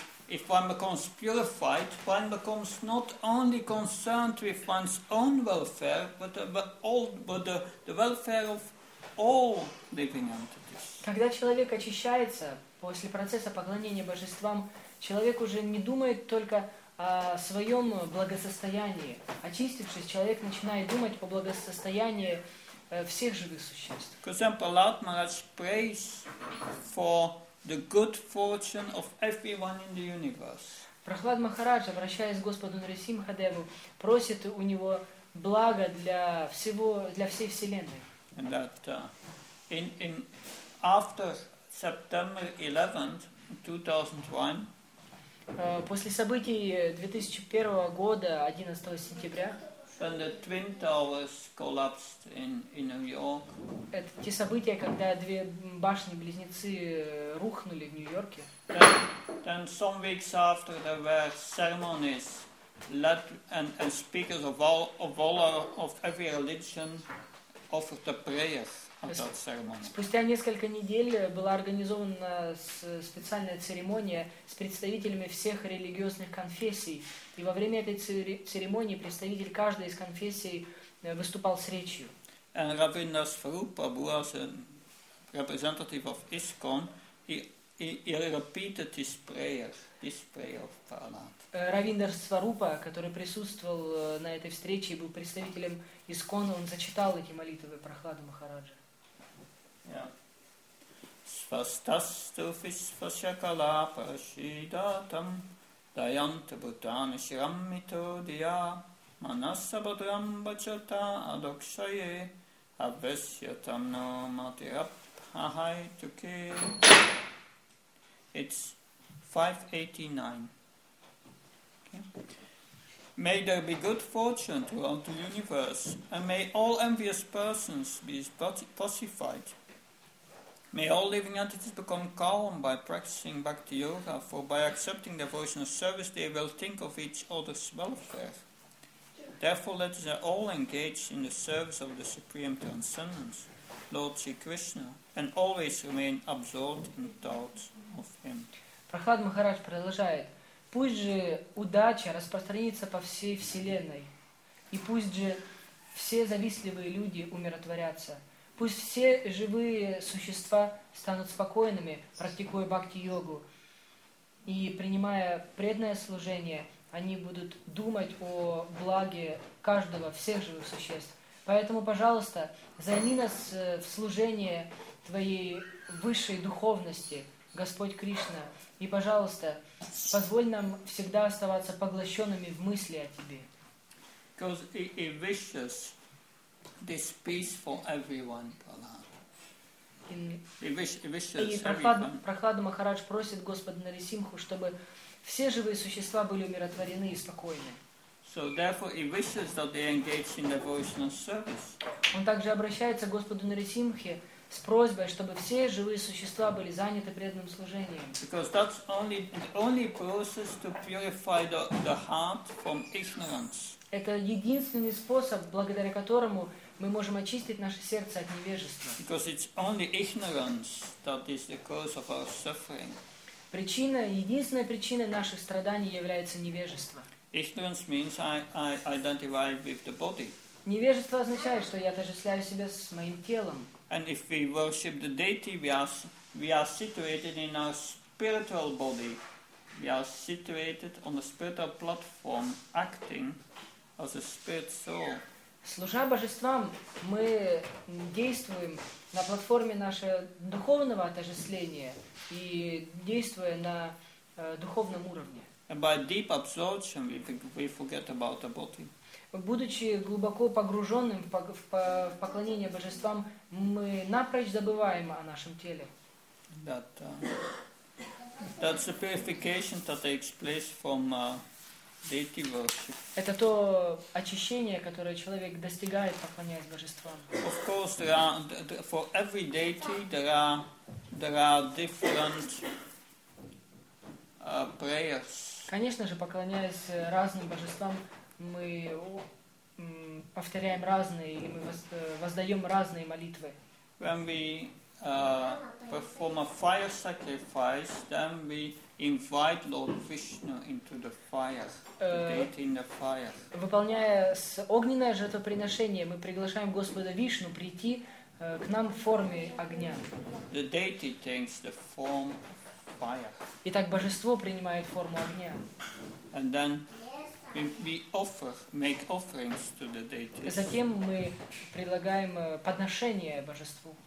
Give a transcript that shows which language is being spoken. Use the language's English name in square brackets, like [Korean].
[English] If one becomes purified, one becomes not only concerned with one's own welfare, but the welfare of all living entities. [Russian] Когда человек очищается, После процесса поклонения божествам человек уже не думает только о своем благосостоянии. Очистившись, человек начинает думать о благосостоянии всех живых существ. [English] For example, Atma has praise for the good fortune of everyone in the universe. [Russian] Прохлад Махарадж, обращаясь к Господу Нарисимхадеву, просит у него блага для всего, для всей вселенной. [English] And that, in after September 11th, 2001. [Russian] После событий 2001 года, 11 сентября. [English] When the Twin Towers collapsed in New York. [Russian] Это те события, когда две башни-близнецы рухнули в Нью-Йорке. [English] Then some weeks after there were ceremonies led and speakers of every religion offered the prayers of that ceremony. [Russian] Спустя несколько недель была организована специальная церемония с представителями всех религиозных конфессий, и во время этой церемонии представитель каждой из конфессий выступал с речью. [English] And Ravindra Swarupa was a representative of ISKCON. He repeated this prayer of Prahlad. [Russian] Равиндар Сварупа, который присутствовал на этой встрече и был представителем ИСКОНа, он зачитал эти молитвы Прохлады Махараджа. [Sanskrit] Свастасту висвасакала парашидатам даянта бутана шраммито дия манасабадрам бачата адокшае абвесьятам но матирабхахай туке. [English] It's 589. Okay. May there be good fortune throughout the universe, and may all envious persons be pacified. May all living entities become calm by practicing Bhakti Yoga, for by accepting devotional service they will think of each other's welfare. Therefore let us all engage in the service of the Supreme Transcendence, Lord Sri Krishna, and always remain absorbed in thoughts. [Russian] Прохлад Махарадж продолжает: пусть же удача распространится по всей вселенной, и пусть же все завистливые люди умиротворятся, пусть все живые существа станут спокойными, практикуя бхакти-йогу и принимая преданное служение, они будут думать о благе каждого, всех живых существ. Поэтому, пожалуйста, займи нас в служение твоей высшей духовности, Господь Кришна, и, пожалуйста, позволь нам всегда оставаться поглощенными в мысли о Тебе. [English] Because he wishes this peace for everyone, Prahlad. [Russian] Прохлада Махарадж просит Господа Нарисимху, чтобы все живые существа были умиротворены и спокойны. [English] So therefore he wishes that they engage in devotional service. [Russian] Он также обращается к Господу Нарисимхе с просьбой, чтобы все живые существа были заняты преданным служением. [English] Because that's only process to purify the heart from ignorance. [Russian] Это единственный способ, благодаря которому мы можем очистить наше сердце от невежества. [English] Because it's only ignorance that is the cause of our suffering. [Russian] Единственная причина наших страданий является невежество. [English] Ignorance means I identify with the body. [Russian] Невежество означает, что я отождествляю себя с моим телом. [English] And if we worship the deity, we are situated in our spiritual body. We are situated on a spiritual platform, acting as a spirit soul. [Russian] Служа божествам, мы действуем на платформе нашего духовного отождествления и действуя на духовном уровне. [English] And by deep absorption, we forget about the body. [Russian] Будучи глубоко погруженным в поклонение божествам, мы напрочь забываем о нашем теле. [English] That's the purification that takes place from deity worship. [Russian] Это то очищение, которое человек достигает, поклоняясь божествам. [English] Of course, for every deity there are different prayers. [Russian] Конечно же, поклоняясь разным божествам, мы повторяем разные, или мы воздаем разные молитвы. [English] When we perform a fire sacrifice, then we invite Lord Vishnu into the fire, the deity in the fire. [Russian] Выполняя огненное жертвоприношение, мы приглашаем Господа Вишну прийти к нам в форме огня. [English] The deity takes the form of [Russian] И так божество принимает форму огня. [English] And then we offer, make offerings to the deities. [Russian] Затем мы предлагаем подношение божеству.